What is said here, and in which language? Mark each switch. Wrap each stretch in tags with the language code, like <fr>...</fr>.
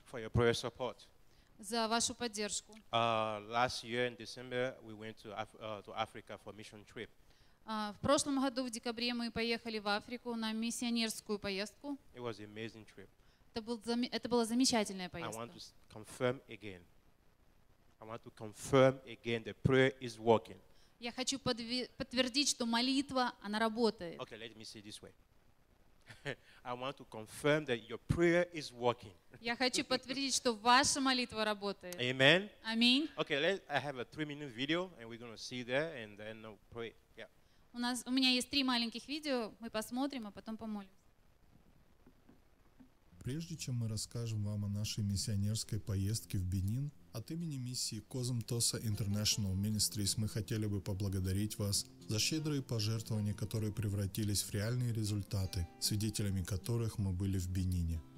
<en>For your prayer support.</en> <ru>За вашу поддержку.</ru> <en>Last year in December, we went to Africa for a mission trip.</en> <ru>В прошлом году, в декабре, мы поехали в Африку на миссионерскую поездку.</ru> <en>It was an amazing trip.</en> <ru>Это была замечательная поездка.</ru> <en>I want to confirm again. I want to confirm again that prayer is working.</en> <ru>Я хочу подтвердить, что молитва, она работает.</ru> <en>Okay, let me say this way. I want to confirm that your prayer is working.</en> <ru>Я хочу подтвердить, что ваша молитва работает.</ru> <en>Amen.</en> <ru>Аминь.</ru> <en>Okay, I have a 3-minute video, and we're going to see there, and then we'll pray.</en> <ru>У меня есть 3 маленьких видео, мы посмотрим, а потом помолимся. Прежде чем мы расскажем вам о нашей миссионерской поездке в Бенин, От имени миссии Козумтоса International Ministries мы хотели бы поблагодарить вас за щедрые пожертвования, которые превратились в реальные результаты, свидетелями которых мы были в Бенине.</ru>